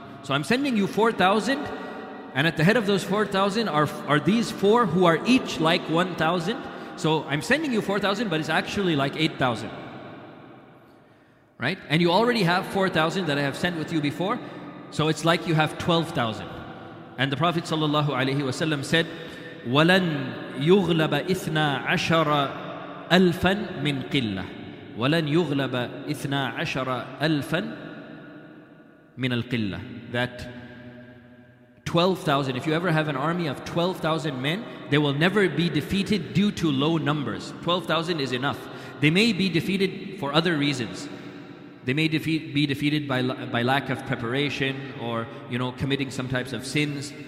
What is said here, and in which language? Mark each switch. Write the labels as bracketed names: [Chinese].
[English] So I'm sending you 4,000, and at the head of those 4,000 are these four who are each like 1,000. So I'm sending you 4,000, but it's actually like 8,000. Right? And you already have 4,000 that I have sent with you before, so it's like you have 12,000. And the Prophet sallallahu alayhi wa sallam said, [Arabic] وَلَنْ يُغْلَبَ إِثْنَا عَشَرَ أَلْفًا مِنْ قِلَّةِ وَلَنْ يُغْلَبَ إِثْنَا عَشَرَ أَلْفًا مِنَ الْقِلَّةِ. [English] That 12,000, if you ever have an army of 12,000 men, they will never be defeated due to low numbers. 12,000 is enough. They may be defeated for other reasons. They may be defeated by lack of preparation, or you know, committing some types of sins.